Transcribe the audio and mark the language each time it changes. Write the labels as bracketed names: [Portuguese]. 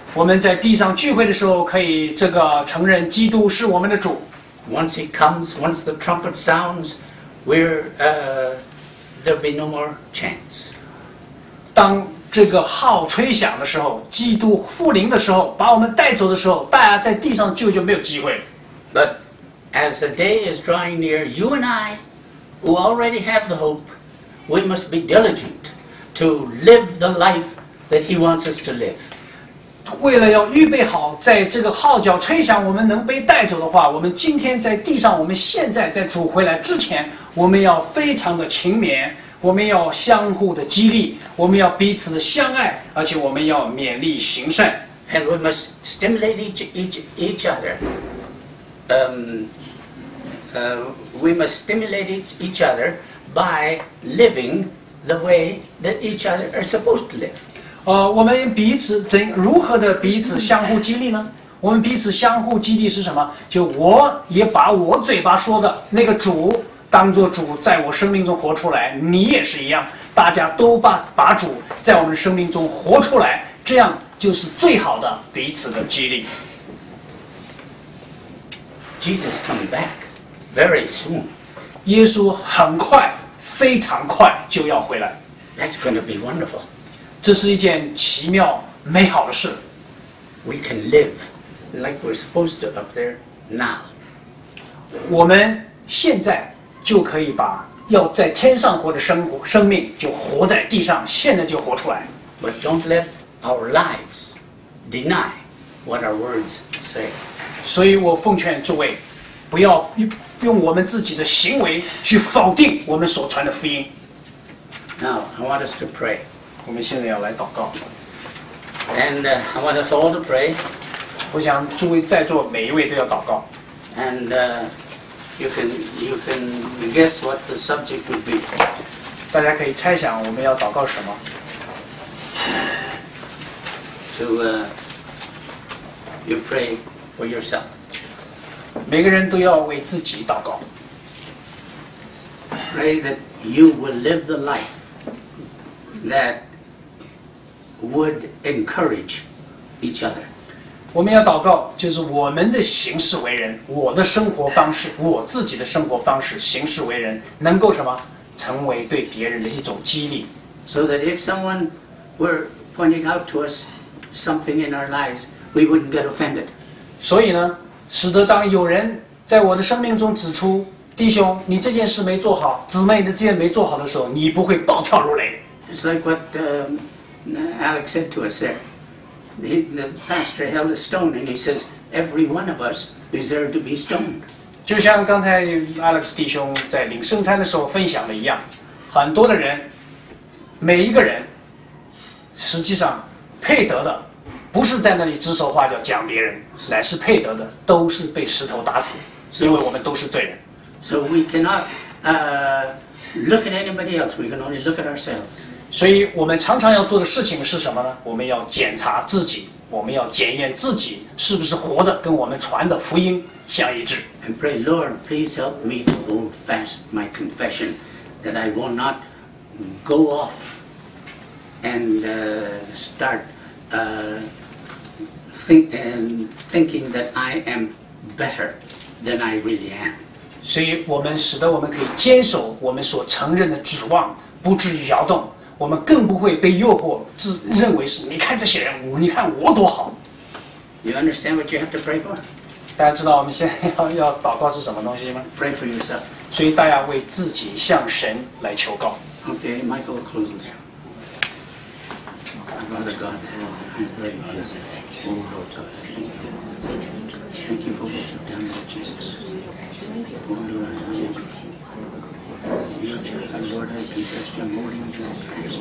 [Chinese] 我们在地上聚会的时候，可以这个承认基督是我们的主。 [English] Once he comes, once the trumpet sounds, there'll be no more chance. [Chinese] 当这个号吹响的时候，基督复临的时候，把我们带走的时候，大家在地上就没有机会。 [English] But as the day is drawing near, you and I who already have the hope, we must be diligent to live the life that He wants us to live. [Chinese] 为了要预备好，在这个号角吹响，我们能被带走的话，我们今天在地上，我们现在在主回来之前，我们要非常的勤勉，我们要相互的激励，我们要彼此的相爱，而且我们要勉励行善。 [English] And we must stimulate each other. We must stimulate each other by living the way that each other are supposed to live. [Chinese] 我们彼此怎如何的彼此相互激励呢？我们彼此相互激励是什么？就我也把我嘴巴说的那个主当作主在我生命中活出来，你也是一样，大家都把主在我们生命中活出来，这样就是最好的彼此的激励。 [English] Jesus coming back very soon. [Chinese] 耶稣很快，非常快就要回来。 [English] That's going to be wonderful. [Chinese] 这是一件奇妙美好的事。 [English] We can live like we're supposed to up there now. [Chinese] 我们现在就可以把要在天上活的生命就活在地上，现在就活出来。 [English] But don't let our lives deny what our words say. [Chinese] 所以我奉劝诸位，不要用我们自己的行为去否定我们所传的福音。 [English] Now I want us to pray. [Chinese] 我们现在要来祷告。 [English] And I want us all to pray. [Chinese] 我想诸位在座每一位都要祷告。 [English] And you can guess what the subject would be. [Chinese] 大家可以猜想我们要祷告什么。 [English] To you pray for yourself. [Chinese] 每个人都要为自己祷告。 [English] Pray that you will live the life that would encourage each other. [Chinese] 我们要祷告，就是我们的行事为人，我的生活方式，我自己的生活方式，行事为人，能够什么？成为对别人的一种激励。 [English] So that if someone were pointing out to us something in our lives, we wouldn't get offended. [Chinese] 所以呢，使得当有人在我的生命中指出，弟兄，你这件事没做好，姊妹你这件没做好的时候，你不会暴跳如雷。 [English] It's like what Alex said to us there. The pastor held a stone and he says, every one of us deserves to be stoned. [Chinese] 就像刚才 Alex 弟兄在领圣餐的时候分享的一样，很多的人，每一个人，实际上配得的不是在那里指手画脚讲别人，乃是配得的都是被石头打死，因为我们都是罪人。 [English] So we cannot look at anybody else, we can only look at ourselves. [Chinese] 所以我们常常要做的事情是什么呢？我们要检查自己，我们要检验自己是不是活的跟我们传的福音相一致。 [English] And pray, Lord, please help me to hold fast my confession that I will not go offAnd start thinking that I am better than I really am. [Chinese] 所以我们使得我们可以坚守我们所承认的指望，不至于摇动。我们更不会被诱惑，自认为是你看这些人，你看我多好。 [English] You understand what you have to pray for? [Chinese] 大家知道我们现在要祷告是什么东西吗 [English] ？Pray for yourself. [Chinese] 所以大家为自己向神来求告。 [English] Okay, Michael closes. Father God, I pray, O Lord, thank you for what you've done with Jesus. O Lord, I pray. You are the Lord, I confess, you are more than your friends.